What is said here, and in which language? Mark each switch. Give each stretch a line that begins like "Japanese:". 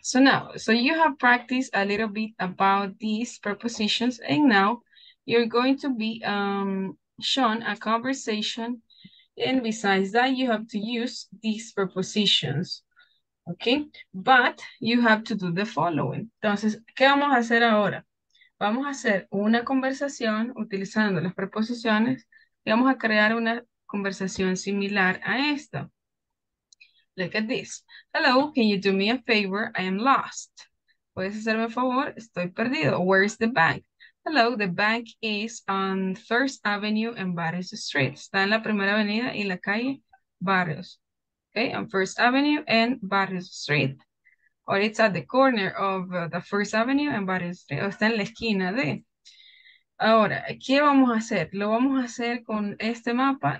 English: So now, so you have practiced a little bit about these prepositions, and now you're going to be shown a conversation. And besides that, you have to use these prepositions. Okay, but you have to do the following.
Spanish: Entonces, ¿qué vamos a hacer ahora? Vamos a hacer una conversación utilizando las preposiciones y vamos a crear una conversación similar a esta.
English: Look at this. Hello, can you do me a favor? I am lost.
Spanish: ¿Puedes hacerme un favor? Estoy perdido.
English: Where is the bank? Hello, the bank is on First Avenue and Barrios Street.
Spanish: Está en la primera avenida y la calle Barrios.
English: Okay, on First Avenue and Barrios Street. Or it's at the corner of the First Avenue and Barrios Street.
Spanish: O está en la esquina de. Ahora, ¿qué vamos a hacer? ¿Lo vamos a hacer con este mapa?